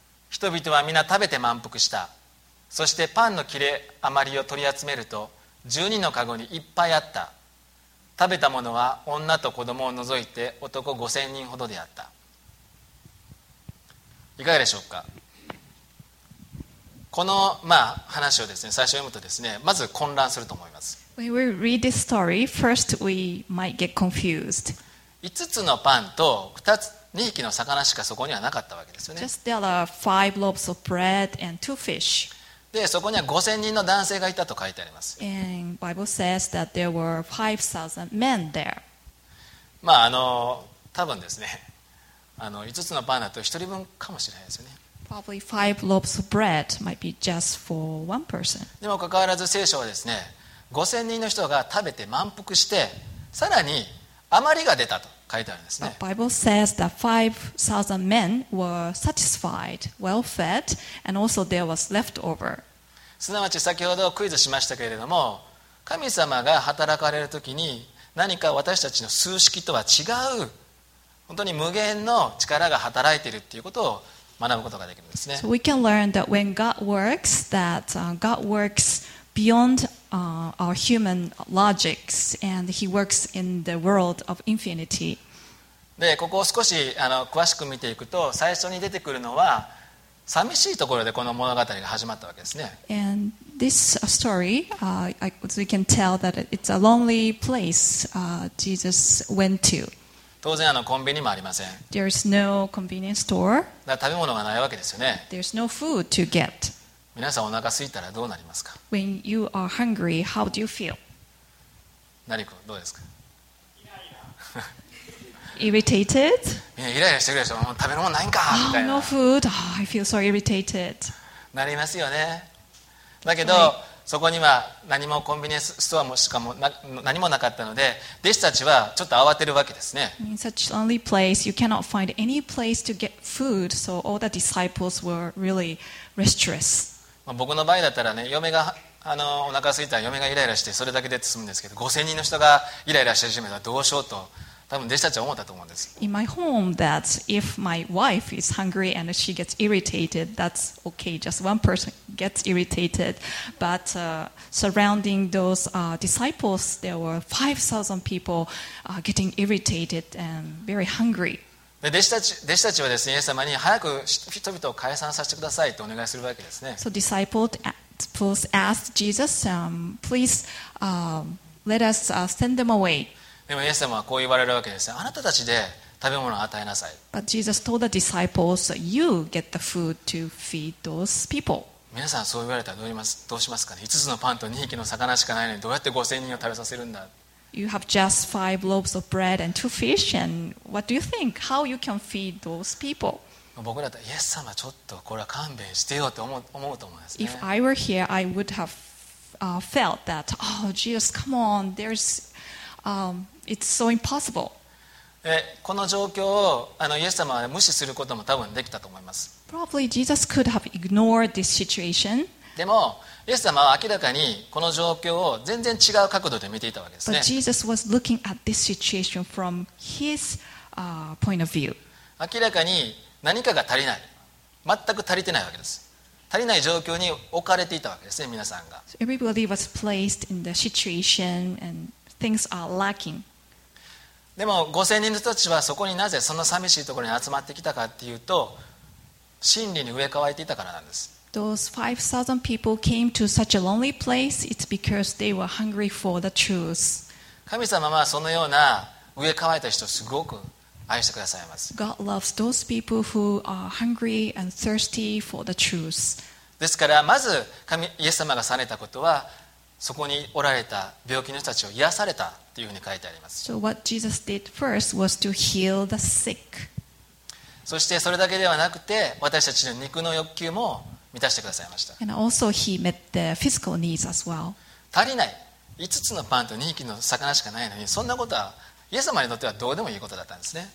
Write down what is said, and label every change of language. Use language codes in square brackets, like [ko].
[ja] 人々は皆食べて満腹した。そしてパンの切れ余りを取り集めると12のカゴにいっぱいあった。食べたものは女と子供を除いて男5000人ほどであった。いかがでしょうか。この、まあ、話をですね、最初読むとですね、まず混乱すると思います。 [en] When we read this story, first we might get confused. [ja] 5つのパンと2匹の魚しかそこにはなかったわけですよね。 [en] Just there are five loaves of bread and two fish. [ja] で、そこには5000人の男性がいたと書いてあります。 [en] And Bible says that there were 5,000 men there. [ja] まあ、多分ですね、5つのパンだと1人分かもしれないですよね。 [en] Probably five loaves of bread might be just for one person. [ja] でもかかわらず聖書はですね、5000人の人が食べて満腹してさらに余りが出たと書いてあるんですね。 [en] The Bible says that 5000 men were satisfied, well fed, and also there was leftover. [ja] すなわち先ほどクイズしましたけれども、神様が働かれるときに何か私たちの数式とは違う本当に無限の力が働いているということを学ぶことができるんですね。 [en] So we can learn that when God works, that God works beyond our human logics, and He works in the world of infinity. [ja] で、ここを少し詳しく見ていくと、最初に出てくるのは寂しいところでこの物語が始まったわけですね。 [en] And this story, we can tell that it's a lonely place Jesus went to. [ja] 当然コンビニもありません。 [en] There is no convenience store. [ja] だから食べ物がないわけですよね。 [en] There's no food to get. [ja] 皆さんお腹空いたらどうなりますか？ [en] When you are hungry, how do you feel? [ja] なりくん、どうですか？ [en] Irritated? [ja] イライラしてくるでしょ。もう食べるもんないんかみたいな。 [en] Oh, no food. Oh, I feel so irritated. [ja] なりますよね。だけど、そこには何もコンビニエンスストアもしかも何もなかったので、弟子たちはちょっと慌てるわけですね。 [en] In such lonely place, you cannot find any place to get food, so all the disciples were really restless. [ja] 僕の場合だったらね、嫁がお腹すいたら嫁がイライラして、それだけで済むんですけど、5000人の人がイライラし始めたらどうしようと。多分弟子たちは思ったと思うんです。 [en] In my home, that if my wife is hungry and she gets irritated, that's okay. Just one person gets irritated, but surrounding those disciples, there were 5,000 people getting irritated and very hungry. [ja] 弟子たちはですね、イエス様に早く人々を解散させてくださいとお願いするわけですね。 [en] So disciples asked Jesus, please let us send them away. [ja] でもイエス様はこう言われるわけですね。あなたたちで食べ物を与えなさい。 [en] But Jesus told the disciples, you get the food to feed those people. [ja] 皆さんそう言われたらどうしますかね。5つのパンと2匹の魚しかないのにどうやって5000人を食べさせるんだ。 [en] You have just 5 loaves of bread and 2 fish, and what do you think? How you can feed those people? [ja] 僕だったらイエス様ちょっとこれは勘弁してよって思うと思いますね。 [en] If I were here, I would have felt that, oh, Jesus, come on, there's... it's so impossible. [ja] この状況をイエス様は無視することも多分できたと思います。 [en] Probably Jesus could have ignored this situation. [ja] でもイエス様は明らかにこの状況を全然違う角度で見ていたわけですね。 [en] But Jesus was looking at this situation from his point of view. [ja] 明らかに何かが足りない。全く足りてないわけです。足りない状況に置かれていたわけですね、皆さんが。 [en] So everybody was placed in the situation andThings are lacking. [ja] でも5000人の人たちはそこになぜそんな寂しいところに集まってきたかっていうと真理に飢え渇いていたからなんです。 [en] Those 5,000 people came to such a lonely place. It's because they were hungry for the truth. [ja] 神様はそのような飢え渇いた人をすごく愛してくださいます。 [en] God loves those people who are hungry and thirsty for the truth. [ja] ですからまず神イエス様がされたことはそこにおられた病気の人たちを癒されたというふうに書いてあります。 [en] So what Jesus did first was to heal the sick. [ja] そしてそれだけではなくて私たちの肉の欲求も満たしてくださいました。 [en] And also he met the physical needs as well. [ja] 足りない。 5つのパンと2匹の魚しかないのにそんなことはイエス様にとってはどうでもいいことだったんですね。